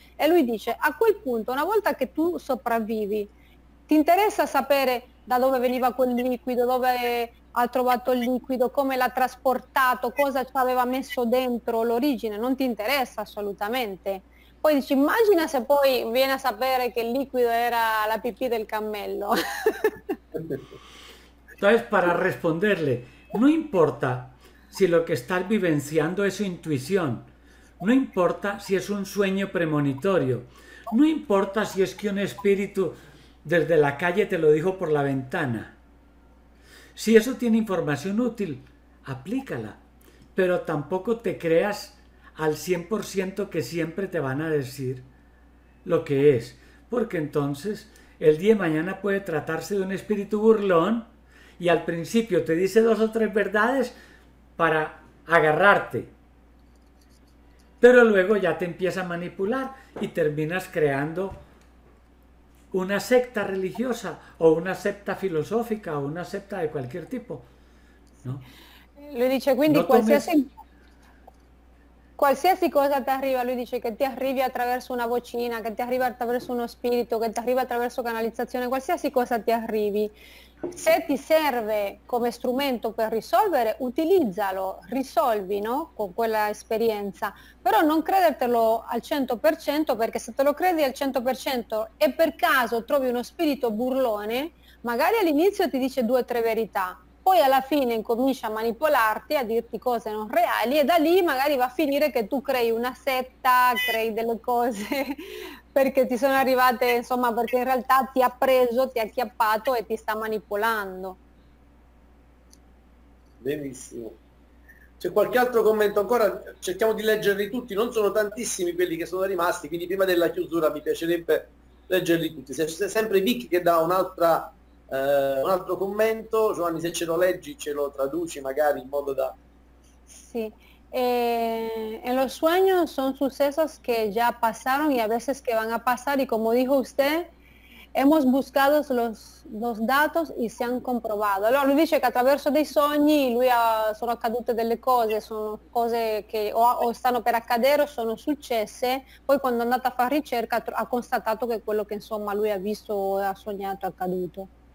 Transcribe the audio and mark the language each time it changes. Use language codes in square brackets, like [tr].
[it] E lui dice, a quel punto, una volta che tu sopravvivi, ti interessa sapere da dove veniva quel liquido, dove ha trovato il liquido, come l'ha trasportato, cosa ci aveva messo dentro, l'origine, non ti interessa assolutamente. Poi dici, immagina se poi viene a sapere che il liquido era la pipì del cammello. [es] Entonces, para responderle, no importa si lo que estás vivenciando es su intuición, no importa si es un sueño premonitorio, no importa si es que un espíritu desde la calle te lo dijo por la ventana. Si eso tiene información útil, aplícala, pero tampoco te creas al 100% que siempre te van a decir lo que es, porque entonces el día de mañana puede tratarse de un espíritu burlón y al principio te dice dos o tres verdades para agarrarte. Pero luego ya te empieza a manipular y terminas creando una secta religiosa o una secta filosófica o una secta de cualquier tipo, ¿no? [it] Lui dice quindi [es] No tomes. [it] qualsiasi cosa ti arriva, lui dice che ti arrivi attraverso una vocina, che ti arriva attraverso uno spirito, che ti arriva attraverso canalizzazione, qualsiasi cosa ti arrivi, se ti serve come strumento per risolvere, utilizzalo, risolvi, no? Con quella esperienza, però non credertelo al 100%, perché se te lo credi al 100% e per caso trovi uno spirito burlone, magari all'inizio ti dice due o tre verità. Poi alla fine incomincia a manipolarti, a dirti cose non reali e da lì magari va a finire che tu crei una setta, crei delle cose perché ti sono arrivate, insomma, perché in realtà ti ha preso, ti ha acchiappato e ti sta manipolando. Benissimo. C'è qualche altro commento ancora? Cerchiamo di leggerli tutti, non sono tantissimi quelli che sono rimasti, quindi prima della chiusura mi piacerebbe leggerli tutti. C'è sempre Vicky che dà un altro commento, Giovanni se ce lo leggi ce lo traduci magari in modo da. [es] En los sueños son sucesos que ya pasaron y a veces que van a pasar y como dijo usted, hemos buscado los datos y se han comprobado. [it] Allora, lui dice che attraverso dei sogni lui sono accadute delle cose, sono cose che o stanno per accadere o sono successe, poi quando è andato a fare ricerca ha constatato che quello che insomma lui ha visto, ha sognato, è accaduto.